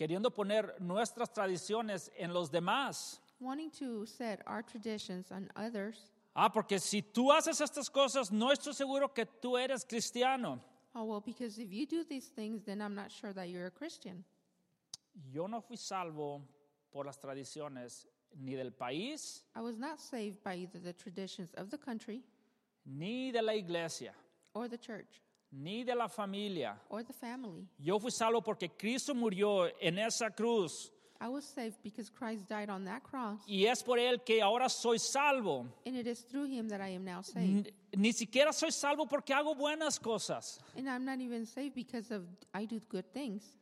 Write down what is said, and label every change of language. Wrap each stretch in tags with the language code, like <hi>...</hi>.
<es>Queriendo poner nuestras tradiciones en los demás.</es> <en>Wanting to set our traditions on others.</en> <es>Ah, porque si tú haces estas cosas, no estoy seguro que tú eres cristiano.</es> <en>Oh, well, because if you do these things, then I'm not sure that you're a Christian.</en> <es>Yo no fui salvo por las tradiciones ni del país.</es> <en>I was not saved by either the traditions of the country.</en> <es>Ni de la iglesia.</es> <en>Or the church.</en> <es>Ni de la familia.</es> <en>Or the family.</en> <es>Yo fui salvo porque Cristo murió en esa cruz.</es> <en>I was saved because Christ died on that cross.</en> <es>Y es por él que ahora soy salvo.</es> <en>And it is through him that I am now saved.</en> <es>Ni siquiera soy salvo porque hago buenas cosas.</es> <en>And I'm not even saved because of I do good things.</en>